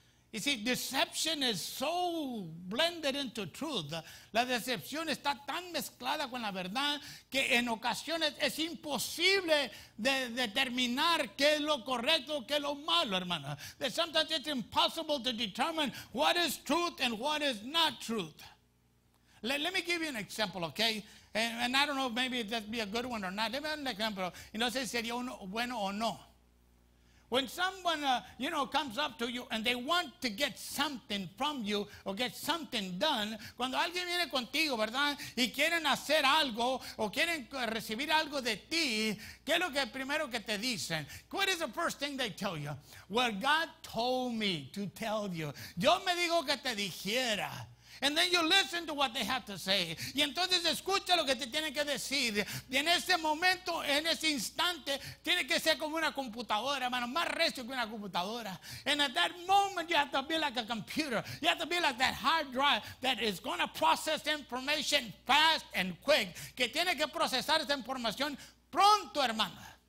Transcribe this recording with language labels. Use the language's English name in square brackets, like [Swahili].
[English] You see, deception is so blended into truth. [Spanish] La decepción está tan mezclada con la verdad que en ocasiones es imposible de determinar qué es lo correcto, qué es lo malo, hermano. [English] That sometimes it's impossible to determine what is truth and what is not truth. Let me give you an example, okay? And I don't know if maybe that'd be a good one or not. Let me give you an example. [Spanish] Y no sé si sería uno bueno o no. [English] When someone, you know, comes up to you and they want to get something from you or get something done, [Spanish] cuando alguien viene contigo, ¿verdad? Y quieren hacer algo o quieren recibir algo de ti, ¿qué es lo que primero que te dicen? [English] What is the first thing they tell you? Well, God told me to tell you. [Spanish] Yo me digo que te dijera. [English] And then you listen to what they have to say. [Spanish] Y entonces escucha lo que te tienen que decir. Y en ese momento, en ese instante, tiene que ser como una computadora, hermano, más recio que una computadora. [English] And at that moment, you have to be like a computer. You have to be like that hard drive that is going to process information fast and quick. [Spanish] Que tiene que procesar esa información pronto, hermano.